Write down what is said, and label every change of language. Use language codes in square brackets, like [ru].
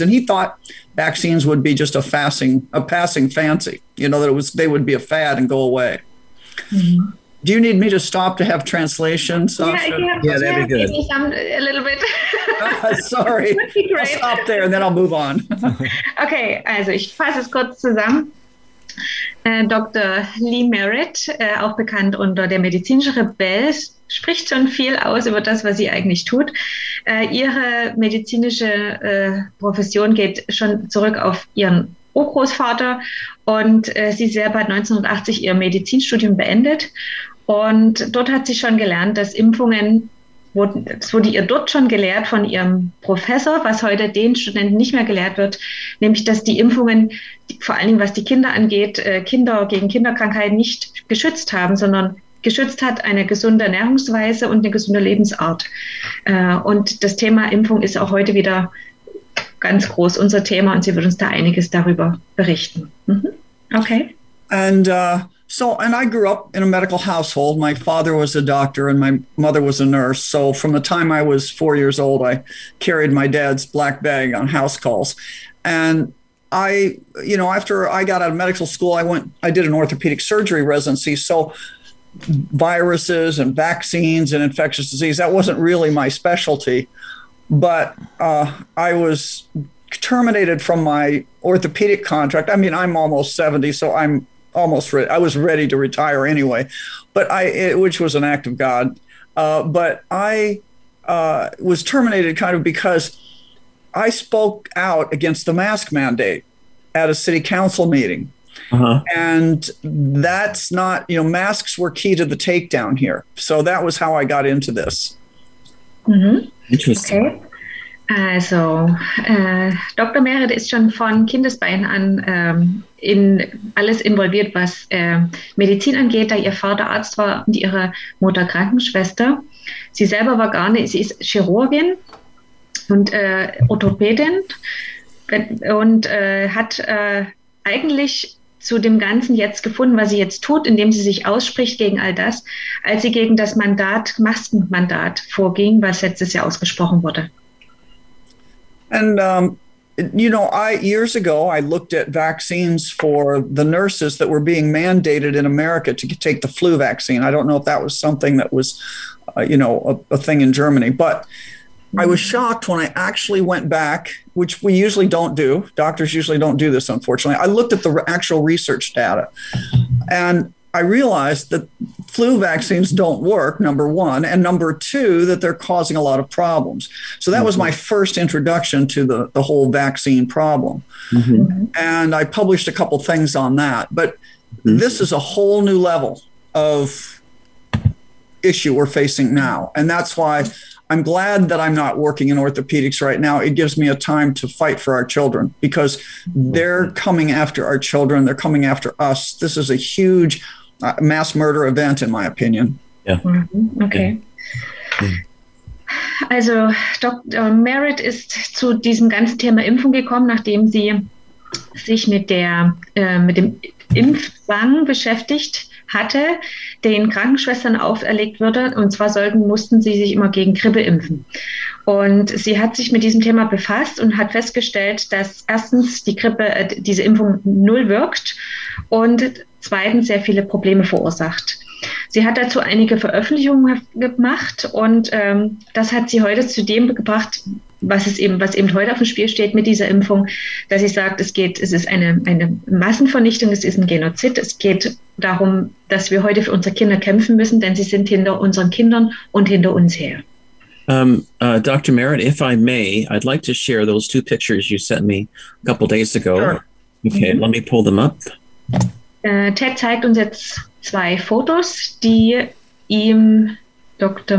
[en] And he thought vaccines would be just a passing fancy, you know, that they would be a fad and go away. Mm-hmm. Do you need me to stop to have translation, Sasha? Yeah, that'd be good. Give me a little bit. Sorry. That'd be great. I'll stop there and then I'll move on. [de] Okay, also ich fasse es kurz zusammen. Dr. Lee Merritt, auch bekannt unter der medizinische Rebell, spricht schon viel aus über das, was sie eigentlich tut. Ihre medizinische Profession geht schon zurück auf ihren Urgroßvater und sie selber hat 1980 ihr Medizinstudium beendet und dort hat sie schon gelernt, dass Impfungen, es wurde ihr dort schon gelehrt von ihrem Professor, was heute den Studenten nicht mehr gelehrt wird, nämlich dass die Impfungen, vor allen Dingen was die Kinder angeht, Kinder gegen Kinderkrankheiten nicht geschützt haben, sondern geschützt hat eine gesunde Ernährungsweise und eine gesunde Lebensart. Und das Thema Impfung ist auch heute wieder ganz groß unser Thema und sie wird uns da einiges darüber berichten. [en] Okay. And I grew up in a medical household. My father was a doctor and my mother was a nurse. So from the time I was 4 years old, I carried my dad's black bag on house calls. And I, you know, after I got out of medical school, I did an orthopedic surgery residency. So viruses and vaccines and infectious disease, that wasn't really my specialty. But I was terminated from my orthopedic contract. I mean, I'm almost 70, so I'm almost ready. I was ready to retire anyway, which was an act of God. But I was terminated kind of because I spoke out against the mask mandate at a city council meeting. Uh-huh. And that's not, you know, masks were key to the takedown here. So that was how I got into this. Mm-hmm. Interesting. [de] Okay. Also, Dr. Merritt ist schon von Kindesbeinen an in alles involviert, was Medizin angeht, da ihr Vater Arzt war und ihre Mutter Krankenschwester. Sie selber war gar nicht, sie ist Chirurgin und Orthopädin und hat eigentlich zu dem Ganzen jetzt gefunden, was sie jetzt tut, indem sie sich ausspricht gegen all das, als sie gegen das Maskenmandat vorging, was letztes Jahr ausgesprochen wurde. [en] And, you know, years ago, I looked at vaccines for the nurses that were being mandated in America to take the flu vaccine. I don't know if that was something that was, you know, a thing in Germany. But I was shocked when I actually went back, which we usually don't do. Doctors usually don't do this, unfortunately. I looked at the actual research data and I realized that flu vaccines don't work, number one, and number two, that they're causing a lot of problems. So that was my first introduction to the whole vaccine problem. Mm-hmm. And I published a couple things on that. But this is a whole new level of issue we're facing now. And that's why I'm glad that I'm not working in orthopedics right now. It gives me a time to fight for our children because they're coming after our children. They're coming after us. This is a huge mass murder event, in my opinion. Yeah. Okay. [de] Also Dr. Merritt ist zu diesem ganzen Thema Impfung gekommen, nachdem sie sich mit dem Impfzwang beschäftigt hatte, den Krankenschwestern auferlegt würde. Und zwar mussten sie sich immer gegen Grippe impfen. Und sie hat sich mit diesem Thema befasst und hat festgestellt, dass erstens die Grippe, diese Impfung null wirkt und zweitens sehr viele Probleme verursacht. Sie hat dazu einige Veröffentlichungen gemacht und das hat sie heute zu dem gebracht, was eben heute auf dem Spiel steht mit dieser Impfung, dass sie sagt, es ist eine Massenvernichtung, es ist ein Genozid, es geht darum, dass wir heute für unsere Kinder kämpfen müssen, denn sie sind hinter unseren Kindern und hinter uns her. Dr. [en] Merritt, if I may, I'd like to share those two pictures you sent me a couple days ago. Sure. Okay, let me pull them up. [de] Ted zeigt uns jetzt zwei Fotos, die ihm Dr.